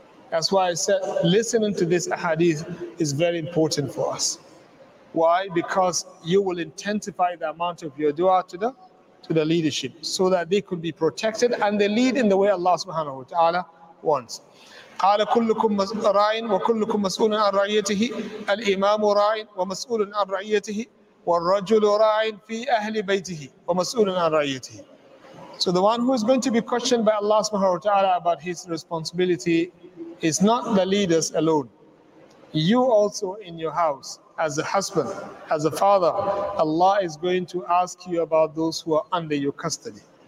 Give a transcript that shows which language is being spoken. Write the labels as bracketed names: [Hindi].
[English] That's why I said listening to this hadith is very important for us. Why? Because you will intensify the amount of your dua to the leadership so that they could be protected and they lead in the way Allah subhanahu wa ta'ala wants. [Arabic] قال كلكم راع وكلكم مسؤول عن رعيته الإمام راع ومسؤول عن رعيته والرجل راع في أهل بيته ومسؤول عن رعيته. [English] So the one who is going to be questioned by Allah subhanahu wa ta'ala about his responsibility is not the leaders alone. You also in your house, as a husband, as a father, Allah is going to ask you about those who are under your custody.